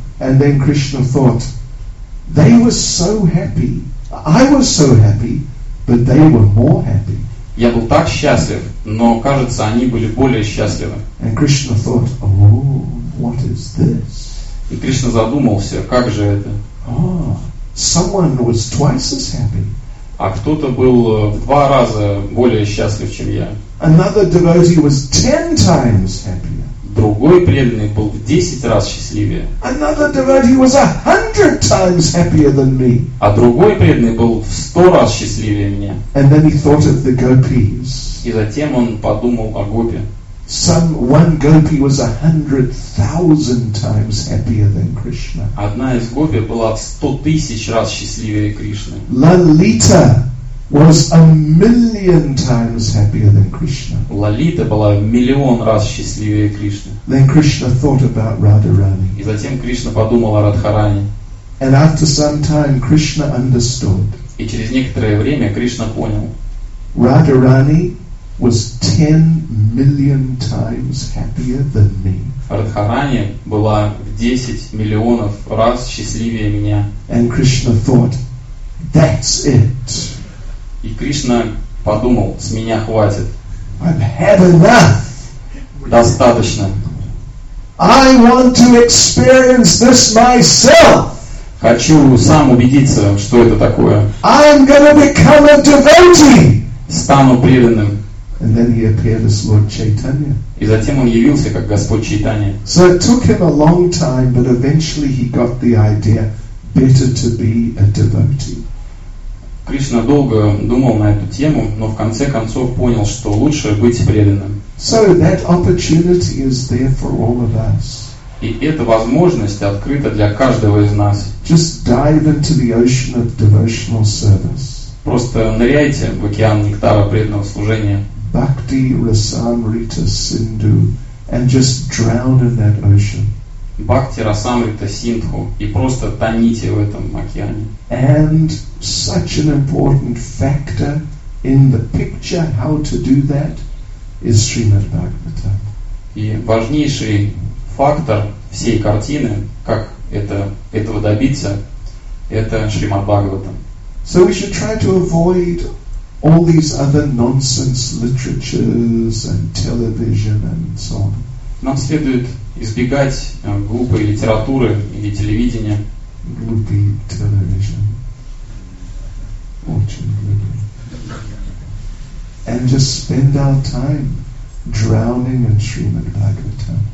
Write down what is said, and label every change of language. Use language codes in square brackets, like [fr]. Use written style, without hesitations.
[en] And then Krishna thought, they were so happy, I was so happy, but they were more happy. [ru] Я был так счастлив, но кажется, они были более счастливы. [en] And Krishna thought, oh, what is this? [ru] И Кришна задумался, как же это? [en] Someone was twice as happy. [ru] А кто-то был в два раза более счастлив, чем я. [en] Another devotee was 10 times happier. [ru] Другой преданный был в 10 раз счастливее. [en] Another devotee was 100 times happier than me. [ru] А другой преданный был в 100 раз счастливее меня. [en] And then he thought of the gopis. [ru] И затем он подумал о гопи. [en] Some one gopi was 100,000 times happier than Krishna. [ru] Одна из гопи была в 100,000 раз счастливее Кришны. [en] Lalita was 1,000,000 times happier than Krishna. [ru] Лалита была в миллион раз счастливее Кришны. [en] Then Krishna thought about Radharani. [ru] И затем Кришна подумал о Радхарани. [en] And after some time, Krishna understood. [ru] И через некоторое время Кришна понял. [en] Radharani was 10,000,000 times happier than me. [ru] Радхарани была в 10 миллионов раз счастливее меня. [en] And Krishna thought, that's it. [ru] И Кришна подумал, с меня хватит. [en] I've had enough. [ru] достаточно. [en] I want to experience this myself. [ru] Хочу сам убедиться, что это такое. [en] I'm going to become a devotee. [ru] Стану преданным. [en] And then he appeared as Lord Chaitanya. [ru] И затем он явился как Господь Чайтанья. [en] So it took him a long time, but eventually he got the idea: better to be a devotee. [ru] Кришна долго думал на эту тему, но в конце концов понял, что лучше быть преданным. [en] So that opportunity is there for all of us. [ru] И эта возможность открыта для каждого из нас. [en] Just dive into the ocean of devotional service. [ru] Просто ныряйте в океан нектара преданного служения. [en] Bhakti Rasamrita Sindhu, and just drown in that ocean. [ru] Бхакти Расамрита Синдху, и просто тоните в этом океане. [en] And such an important factor in the picture how to do that is Srimad Bhagavatam. [ru] И важнейший фактор всей картины, как этого добиться, это Шримад Бхагаватам. [en] So we should try to avoid all these other nonsense literatures and television and so on. [ru] Нам следует избегать глупой литературы или телевидения. Глупый телевизион. Очень глупый. [en] And just spend our time drowning in Srimad Bhagavatam.